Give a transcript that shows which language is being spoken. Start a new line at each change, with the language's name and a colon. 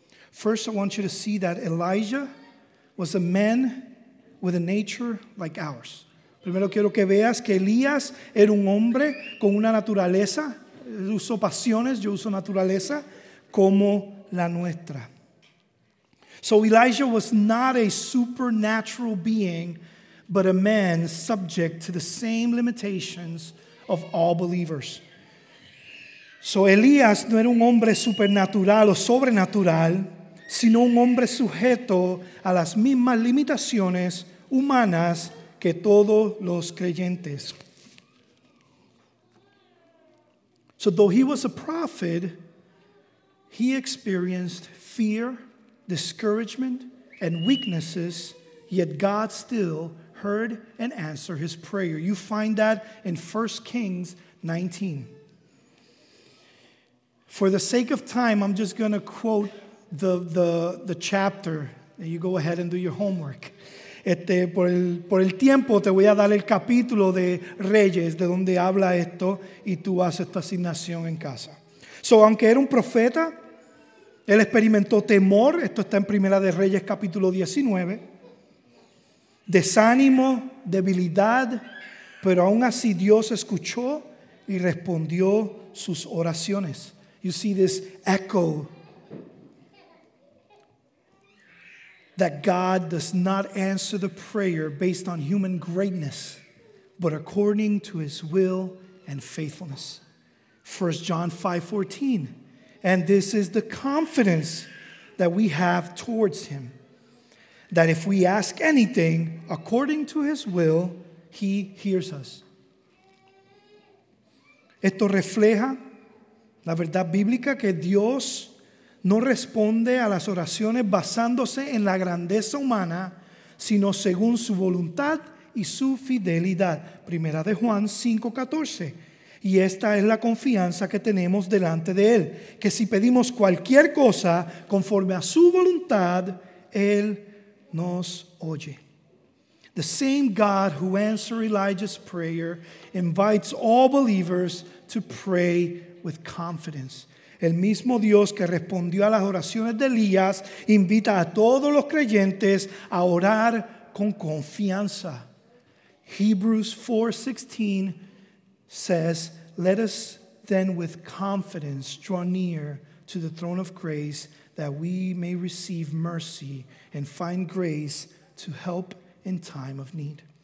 English: First, I want you to see that Elijah was a man with a nature like ours.
Spanish: Primero quiero que veas que Elías era un hombre con una naturaleza. Uso pasiones, yo uso naturaleza como la nuestra.
English: So Elijah was not a supernatural being, but a man subject to the same limitations of all believers.
Spanish: So Elías no era un hombre supernatural o sobrenatural, sino un hombre sujeto a las mismas limitaciones humanas que todos los creyentes.
English: So though he was a prophet, he experienced fear, discouragement, and weaknesses, yet God still heard and answered his prayer. You find that in 1 Kings 19. For the sake of time, I'm just going to quote the chapter, and you go ahead and do your homework.
Spanish: Por el tiempo te voy a dar el capítulo de Reyes de donde habla esto y tú haces tu asignación en casa. So, aunque era un profeta, él experimentó temor. Esto está en Primera de Reyes capítulo 19. Desánimo, debilidad, pero aún así Dios escuchó y respondió sus oraciones.
English: You see this echo that God does not answer the prayer based on human greatness, but according to his will and faithfulness. 1 John 5:14. And this is the confidence that we have towards him, that if we ask anything according to his will, he hears us.
Spanish: Esto refleja la verdad bíblica que Dios no responde a las oraciones basándose en la grandeza humana, sino según su voluntad y su fidelidad. Primera de Juan 5:14. Y esta es la confianza que tenemos delante de él, que si pedimos cualquier cosa conforme a su voluntad, él nos oye.
English: The same God who answered Elijah's prayer invites all believers to pray with confidence.
Spanish: El mismo Dios que respondió a las oraciones de Elías invita a todos los creyentes a orar con confianza.
English: Hebrews 4:16 says, "Let us then with confidence draw near to the throne of grace, that we may receive mercy and find grace to help in time of need."